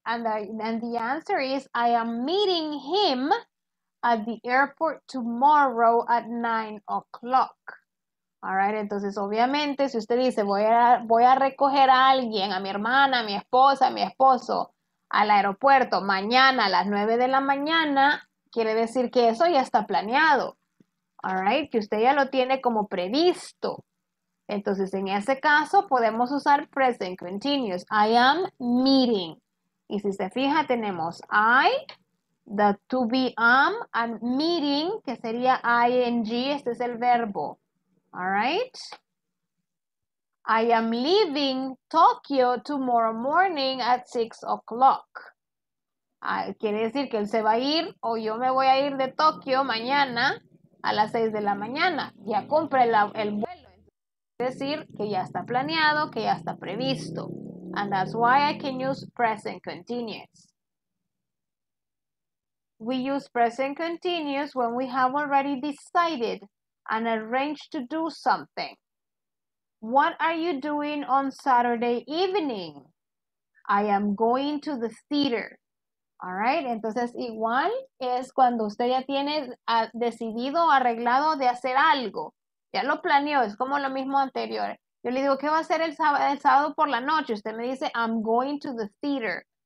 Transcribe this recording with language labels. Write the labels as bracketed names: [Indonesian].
[English] And the answer is I am meeting him at the airport tomorrow at 9 o'clock. All right. [Spanish] Entonces, obviamente, si usted dice voy a recoger a alguien, a mi hermana, a mi esposa, a mi esposo, al aeropuerto mañana a las 9 de la mañana, quiere decir que eso ya está planeado. [English] All right. [Spanish] Que usted ya lo tiene como previsto. Entonces, en ese caso, podemos usar present continuous. [English] I am meeting. [Spanish] Y si se fija, tenemos [English] I, the to be am, and meeting, [Spanish] que sería [English] ing. [Spanish] Este es el verbo. [English] All right. I am leaving Tokyo tomorrow morning at 6 o'clock. [Spanish] Quiere decir que él se va a ir o yo me voy a ir de Tokio mañana a las 6 de la mañana. Ya compré el vuelo. Es decir, que ya está planeado, que ya está previsto. [English] And that's why I can use present continuous. We use present continuous when we have already decided and arranged to do something. What are you doing on Saturday evening? I am going to the theater. All right, [Spanish] entonces igual es cuando usted ya tiene decidido, arreglado de hacer algo. Ya lo planeó, es como lo mismo anterior. Yo le digo, ¿qué va a hacer el sábado por la noche? Usted me dice, [English] I'm going to the theater.